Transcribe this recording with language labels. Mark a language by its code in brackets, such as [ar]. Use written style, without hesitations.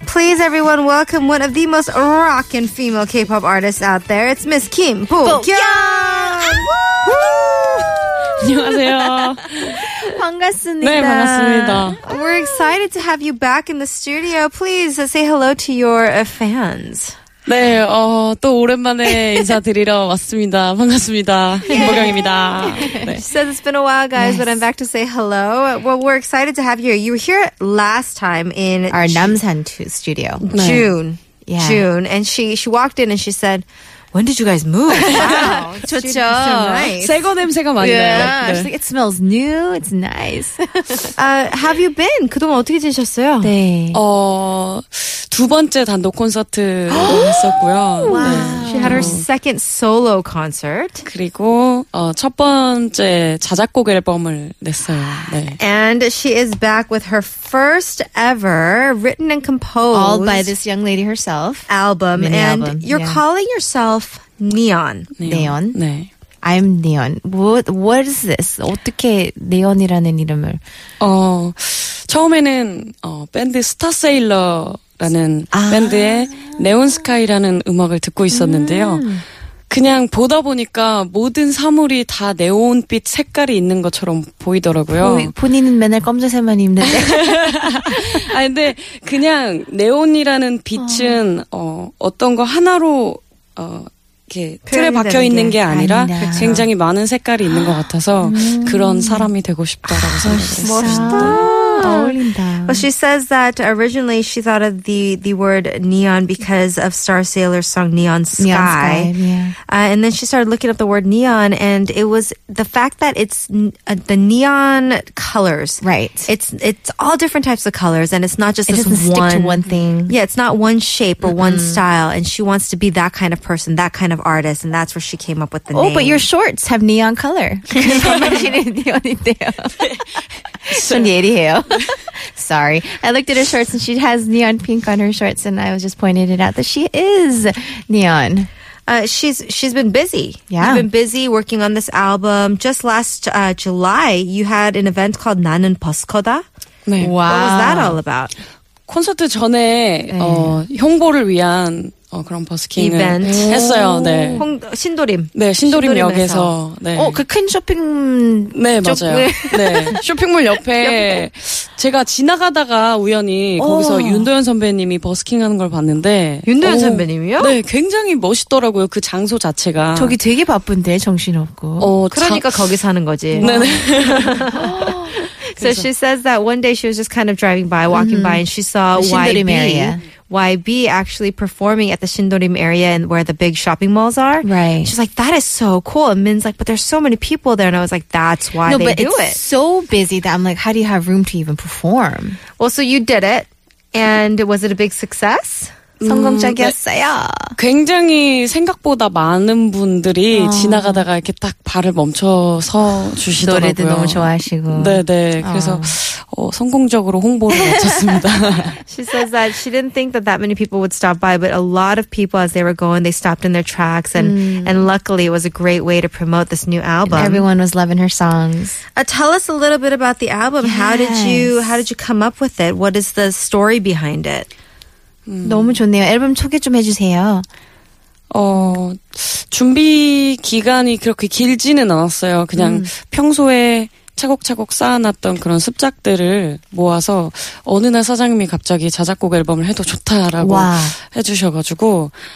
[en] Please, everyone, welcome one of the most rockin' female K-pop artists out there. It's Miss Kim Bo-kyung! [ko] Woo! 안녕하세요. 반갑습니다. 네, 반갑습니다. [en] We're excited to have you back in the studio. Please say hello to your fans. [ko] 네, 또 오랜만에 인사드리러 왔습니다. 반갑습니다. 김보경입니다. 네. [en] She says it's been a while, guys, but I'm back to say hello. Well, we're excited to have you here. You were here last time in our Namsan studio. June. Yeah. June. And she walked in and she said, When did you guys move? Wow. [ko] 좋죠. [en] So nice. [ko] 새거 냄새가 많이 나요. [en] She's like, it smells new. It's nice. have you been? [ko] 그동안 어떻게 지내셨어요? 네. 두 번째 단독 콘서트를 했었고요. Wow. 네. [en] She had her second solo concert. [ko] 그리고 첫 번째 자작곡 앨범을 냈어요. 네. [en] And she is back with her first ever written and composed all by this young lady herself album. And you're calling yourself Neon. Neon. Neon. 네. I'm Neon. What is this? [ko] 어떻게 Neon이라는 이름을? 처음에는 밴드 스타 세일러 라는 밴드의 네온스카이라는 음악을 듣고 있었는데요. 그냥 보다 보니까 모든 사물이 다 네온빛 색깔이 있는 것처럼 보이더라고요. 본인은 맨날 검정색만 입는데. 아, 근데 그냥 네온이라는 빛은 어떤 거 하나로 이렇게 틀에 박혀 있는 게 아니라 아니냐. 굉장히 많은 색깔이 있는 것 같아서 그런 사람이 되고 싶다라고 생각했어요. 멋있다. [en] Well, she says that originally she thought of the word neon because of Star Sailor's song Neon Sky. Neon Sky, yeah. And then she started looking up the word neon, and it was the fact that it's the neon colors. Right. It's all different types of colors, and it's not just it this doesn't one, stick to one thing. Yeah, it's not one shape or one style, and she wants to be that kind of person, that kind of artist, and that's where she came up with the name. Oh, but your shorts have neon color. So, Sorry. I looked at her shorts and she has neon pink on her shorts and I was just pointing it out that she is neon. She's been busy. Yeah. You've been busy working on this album. Just last July, you had an event called 나는 버스커다. [ko] 네. [en] Wow. What was that all about? [ko] 콘서트 전에 홍보를 위한 그런 버스킹을 이벤트. 했어요. 네. 신도림. 네, 신도림역에서. 네. 그 큰 쇼핑. 네, 맞아요. 네. 쇼핑몰 옆에 제가 지나가다가 우연히 거기서 윤도현 선배님이 버스킹 하는 걸 봤는데. 윤도현 선배님이요? 네, 굉장히 멋있더라고요. 그 장소 자체가. 저기 되게 바쁜데, 정신없고. 그러니까 거기서 하는 거지. 네네. [en] So she says that one day she was just kind of driving by, walking by, and she saw YB. Area. YB actually performing at the Shindorim area and where the big shopping malls are. Right. She's like, that is so cool. And Min's like, but there's so many people there. And I was like, that's why no, they do it. No, but it's so busy that I'm like, how do you have room to even perform? Well, so you did it. And was it a big success? [ko] 성공적이었어요. 네. 굉장히 생각보다 많은 분들이 어. 지나가다가 이렇게 딱 발을 멈춰서 주시더라고요. 노래도 너무 좋아하시고. 네네. 그래서 어, 성공적으로 홍보를 마쳤습니다. [en] She says that she didn't think that that many people would stop by, but a lot of people as they were going, they stopped in their tracks and, and luckily it was a great way to promote this new album. Everyone was loving her songs. Tell us a little bit about the album. Yes. How did you come up with it? What is the story behind it? [ko] 너무 좋네요. 앨범 소개 좀 해주세요. 어, 준비 기간이 그렇게 길지는 않았어요. 그냥 평소에 차곡차곡 쌓아놨던 그런 습작들을 모아서 어느 날 사장님이 갑자기 자작곡 앨범을 해도 좋다라고 와. 해주셔가지고